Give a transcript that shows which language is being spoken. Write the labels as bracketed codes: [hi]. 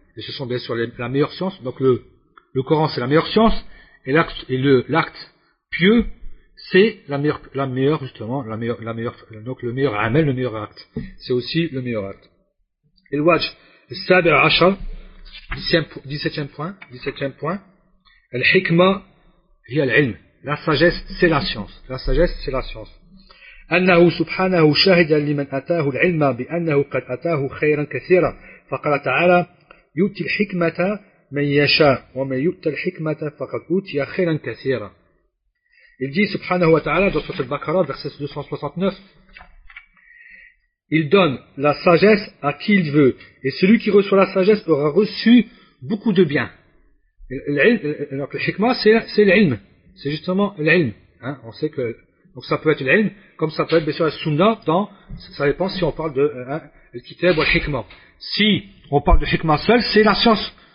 [fr] Et ce sont bien sûr la meilleure science. Donc le Coran c'est la meilleure science et l'acte pieux c'est la meilleure justement la meilleure donc le meilleur amal, le meilleur acte. C'est aussi le meilleur acte. Et le waj sabir asha 17e point. [ar] Al hikma hiya al ilm. [fr] La sagesse c'est la science. [ar] أنه سبحانه شاهد لمن أتاه العلم بأنه قد أتاه خيرا كثيرا فقال تعالى يؤتي الحكمة من يشاء ومن يؤت الحكمة فقد أوتي خيرا كثيرا. [fr] Il dit سبحانه وتعالى dans sourate al-Baqarah verset 269, il donne la sagesse à qui il veut et celui qui reçoit la sagesse aura reçu beaucoup de bien. Donc le hikma c'est l'ilm, c'est justement l'ilm, hein, on sait que donc ça peut être l'ilm, comme ça peut être bien sûr la sunnah, dans, ça dépend si on parle de l'kitab ou l'hikmah. Si on parle de l'hikmah seul, c'est la science